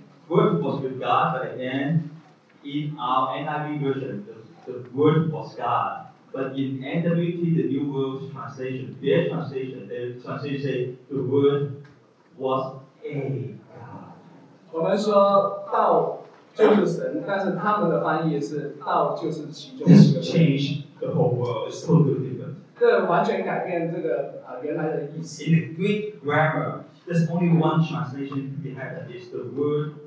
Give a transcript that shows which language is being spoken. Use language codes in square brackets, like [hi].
[en] Word was with God, but then in our NIV version, the Word was God. But in NWT, the New World Translation, their translation says the Word was a God. [zh] 我们说道就是神，但是他们的翻译是道就是其中一个神。 [en] This changed the whole world. It's totally different. [zh] 这完全改变这个原来的意思。 [en] In the Greek grammar, there's only one translation behind that is the Word.